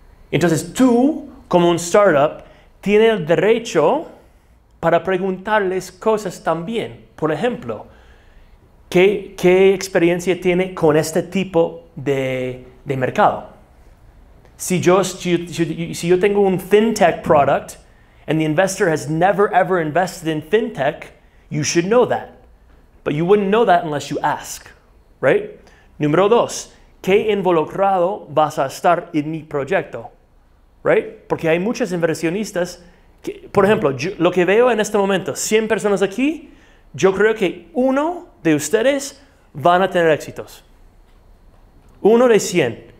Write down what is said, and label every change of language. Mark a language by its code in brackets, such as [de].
[es] Entonces, tú, como un startup, tienes el derecho para preguntarles cosas también. Por ejemplo, ¿qué experiencia tiene con este tipo de mercado? Si yo tengo un fintech product, [en] and the investor has never ever invested in fintech, you should know that. But you wouldn't know that unless you ask, right? [es] Número dos, ¿qué involucrado vas a estar en mi proyecto? [en] Right? [es] Porque hay muchos inversionistas que, por ejemplo, yo, lo que veo en este momento, 100 personas aquí, yo creo que uno de ustedes van a tener éxitos. Uno de 100.